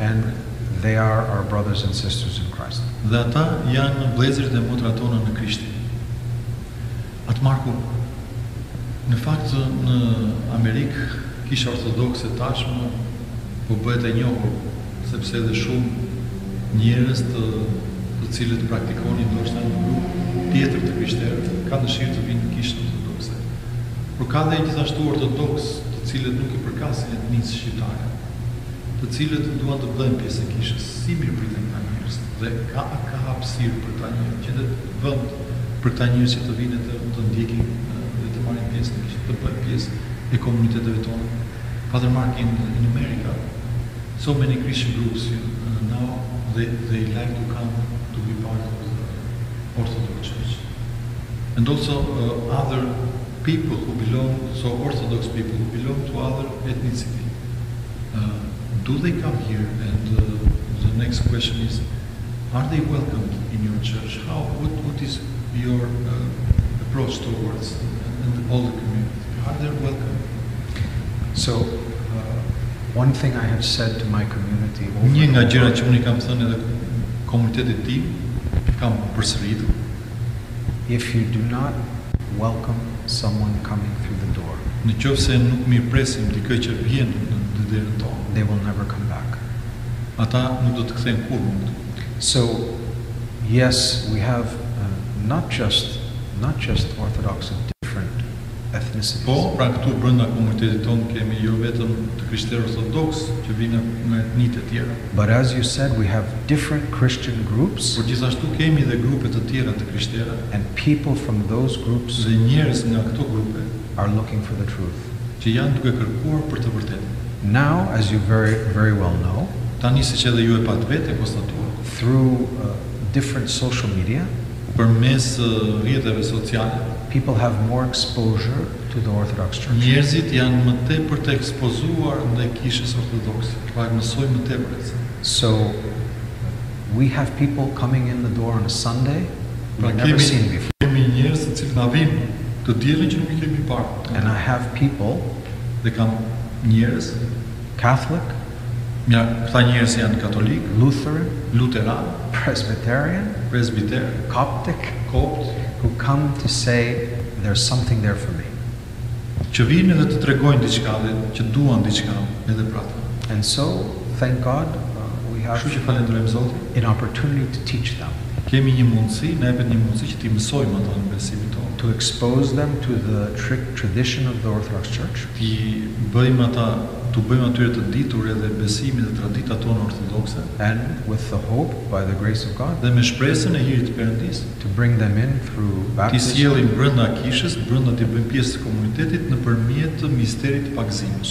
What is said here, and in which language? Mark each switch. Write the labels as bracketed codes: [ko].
[en] And they are our brothers and sisters in Christ. [sq] Dhe ata janë vëllezërit dhe motrat tona në Krishtin. Atë Marku, në fakt në Amerikë kisha ortodokse tashmë po bëhet e njohur sepse edhe shumë njerëz të cilët praktikojnë ndoshta në grup tjetër të krishterë kanë dëshirë të vinë në kishën ortodokse. Por ka dhe gjithashtu ortodoksë të cilët nuk I përkasin etnisë shqiptare. Të cilët duan të bëjnë pjesë e kishës, si mirë pritën nga njërës, dhe ka hapësirë për ta njërë, që dhe vënd për ta njërës që të vinë të ndjekin dhe të marrin pjesë në kishë, të bëjnë pjesë e komuniteteve tonë. [en] Father Mark, in America, so many Christian groups now, they like to come to be part of the Orthodox Church. And also other people who belong, so Orthodox people who belong to other ethnicity. Do they come here? And the next question is, are they welcomed in your church? How? What is your approach towards and all the community? Are they welcome? So, one thing I have said to my community. [sq] Një nga gjërat që unë kam thënë edhe komunitetit tim, kam përsëritur. [en] If you do not welcome someone coming through the door. [sq] Në qoftë se nuk mirëpresim dikë që vjen. [en] They will never come back. [sq] Ata nuk do të kthehen kurrë. [en] So, yes, we have not just Orthodox and different ethnicities. [sq] Po, pra këtu brenda komunitetit tonë kemi jo vetëm të krishterë ortodoks që vinë nga etnitë të tjera. [en] But as you said, we have different Christian groups. [sq] Por gjithashtu kemi dhe grupe të tjera të krishterë. [en] And people from those groups. [sq] Dhe njerëz nga këto grupe [en] are looking for the truth. [sq] Që janë duke kërkuar për të vërtetën. [en] Now, as you very, very well know, [sq] tani siç edhe ju e pat vetë konstatuar, [en] through different social media, [sq] përmes rrjeteve sociale, [en] people have more exposure to the Orthodox Church. [sq] Njerëzit janë më tepër të ekspozuar ndaj kishës ortodokse, pra mësojnë më tepër. [en] So, we have people coming in the door on a Sunday, [sq] pra [en] we've never seen before. [sq] Kemi njerëz të cilë na vinë, të djelin që nuk I kemi parë. [en] And I have people, [sq] dhe kam njerëz [en] Catholic, [sq] ja, këta njerëz janë katolik, [en] Lutheran, Presbyterian, Copt, who come to say there's something there for me. [sq] Që vinë edhe të tregojnë diçka, që duan diçka edhe për ata. [en] And so, thank God, we have [sq] Shuqë falenderojmë Zotin, [en] an opportunity to teach them. [sq] kemi një mundësi, ne jemi një mundësi që t'i mësojmë ato në besimin tonë. [en] To expose them to the tradition of the Orthodox Church. [sq] Ti bëjmë ata të bëjmë atyre të ditur edhe besimin dhe tradita tonë ortodokse. [en] And with the hope by the grace of God. [sq] Dhe me shpresën e hirit Perëndis. [en] To bring them in through baptism. [sq] Ti sjellim brenda kishës, brenda të bëjmë pjesë të komunitetit nëpërmjet misterit të pagëzimit.